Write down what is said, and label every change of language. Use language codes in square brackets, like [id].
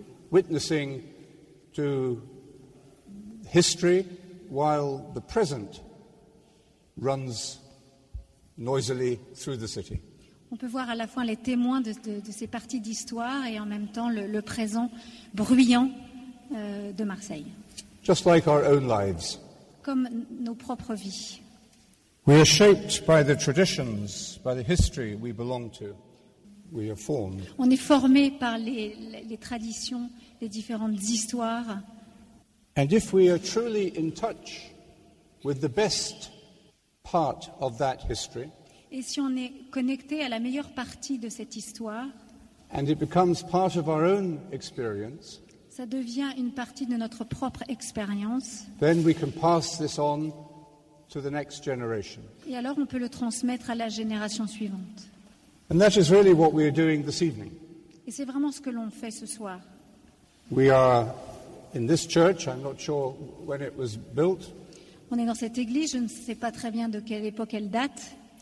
[en] Witnessing to history while the present runs noisily through the city. [fr] On peut voir à la fois les témoins de ces parties d'histoire et en même temps le présent bruyant de Marseille. [en] Just like our own lives. [fr] Comme nos propres vies. [en] We are shaped by the traditions, by the history we belong to. We are formed. [fr] On est formé par les traditions, les différentes histoires. [en] And if we are truly in touch with the best part of that history, [fr] et si on est connecté à la meilleure partie de cette histoire, [en] and it becomes part of our own experience, [fr] ça devient une partie de notre propre expérience, [en] then we can pass this on to the next generation. [fr] Et alors on peut le transmettre à la génération suivante. [en] And that is really what we are doing this evening. [fr] Et c'est vraiment ce que l'on fait ce soir. [en] We are in this church, I'm not sure when it was built. [fr] On est dans cette église, je ne sais pas très bien de quelle époque elle date.